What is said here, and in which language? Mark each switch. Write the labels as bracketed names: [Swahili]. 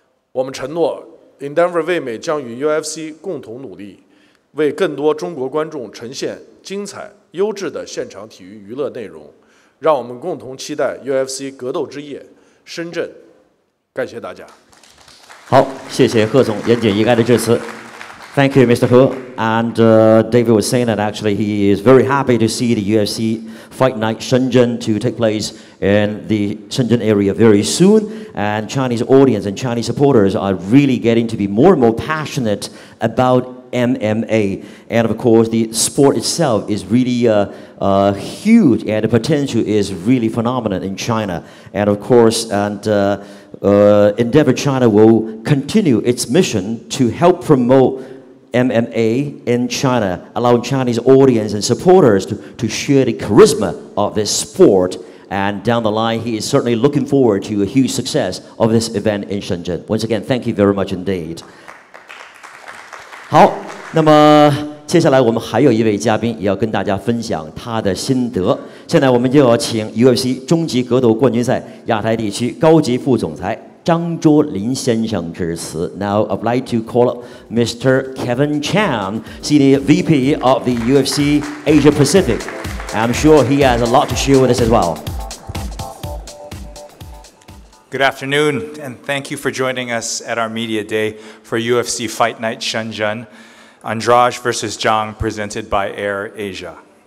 [Chinese] 我们承诺 Endeavor 为美将与 UFC 共同努力，为更多中国观众呈现精彩优质的现场体育娱乐内容，让我们共同期待 UFC 格斗之夜深圳。感谢大家。好，谢谢贺总言简意赅的致辞。 [English] Thank you, Mr. He. And David was saying that actually he is very happy to see the UFC Fight Night Shenzhen to take place in the Shenzhen area very soon. And Chinese audience and Chinese supporters are really getting to be more and more passionate about MMA. And of course, the sport itself is really huge, and the potential is really phenomenal in China. And of course, Endeavor China will continue its mission to help promoteMMA in China, allowing Chinese audience and supporters to share the charisma of this sport. And down the line, he is certainly looking forward to a huge success of this event in Shenzhen. Once again, thank you very much indeed. [Chinese] 好，那么接下来我们还有一位嘉宾也要跟大家分享他的心得。现在我们就要请 UFC 终极格斗冠军赛亚太地区高级副总裁张卓林先生致辞。 [English] Now I'd like to call up Mr. Kevin Chan, Senior VP of the UFC Asia Pacific. I'm sure he has a lot to share with us as well. Good afternoon, and thank you for joining us at our media day for UFC Fight Night Shenzhen, Andraj versus Zhang, presented by Air Asia.